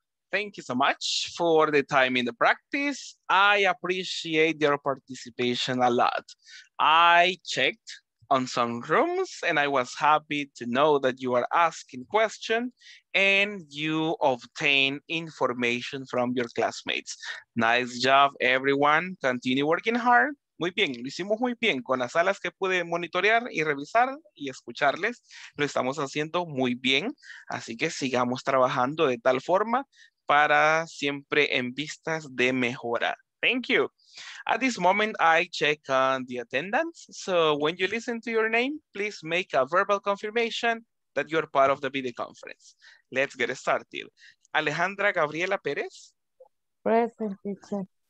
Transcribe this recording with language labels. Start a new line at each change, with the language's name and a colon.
English: Thank you so much for the time in the practice. I appreciate your participation a lot. I checked on some rooms and I was happy to know that you are asking questions and you obtain information from your classmates. Nice job, everyone. Continue working hard.
Spanish: Muy bien, lo hicimos muy bien con las salas que pude monitorear y revisar y escucharles. Lo estamos haciendo muy bien. Así que sigamos trabajando de tal forma para siempre en vistas de mejora.
English: Thank you. At this moment, I check on the attendance. So when you listen to your name, please make a verbal confirmation that you're part of the video conference. Let's get started. Alejandra Gabriela Pérez. Present, teacher.